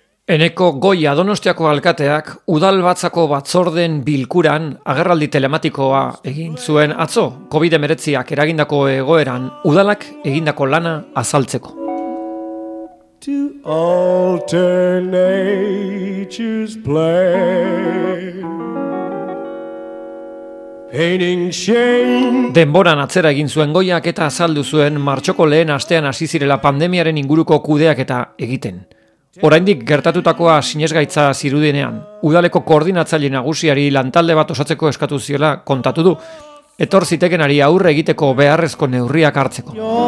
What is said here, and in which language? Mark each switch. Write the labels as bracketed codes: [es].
[eu] Eneko Goia Donostiako alkateak udalbatzako batzorden bilkuran agerraldi telematikoa egin zuen atzo, COVID-19ak eragindako egoeran udalak egindako lana azaltzeko. [en] To alter nature's plan, painting shame. [eu] Denboran atzera egin zuen Goiak eta azaldu zuen martxoko lehen astean hasi zirela pandemiaren inguruko kudeaketa egiten. Oraindik gertatutakoa sinesgaitza zirudenean, udaleko koordinatzaile nagusiari lantalde bat osatzeko eskatu ziela kontatu du, etor zitekenari aurre egiteko beharrezko neurriak hartzeko.